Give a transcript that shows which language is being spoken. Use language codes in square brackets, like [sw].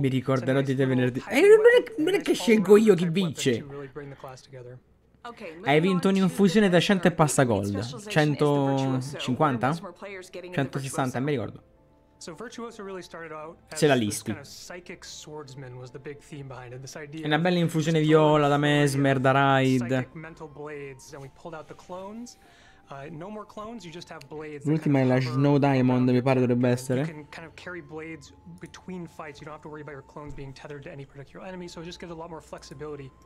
[it] Mi ricorderò di te venerdì. Non è che scelgo io chi vince. [en] Really bring the class together. [it] Hai vinto un'infusione da 100 e passa gold. 150? 160, mi ricordo. [en] So Virtuoso really started out as this kind of psychic swordsman was the big theme behind it. This idea. [it] È una bella infusione viola da mesmer, da raid. [en] Psychic mental blades, and we pulled out the clones. No more clones, you just have blades. [it] L'ultima è la Snow Diamond, mi pare dovrebbe essere. [en] You can kind of carry blades between fights. You don't have to worry about your clones being tethered to any particular enemy, so it just gives a lot more flexibility.